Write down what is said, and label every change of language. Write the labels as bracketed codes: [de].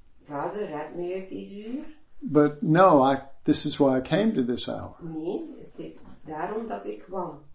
[nl] Father, red me uit deze uur. [en] But no, this is why I came to this hour. [nl] Nee, het is daarom dat ik kwam.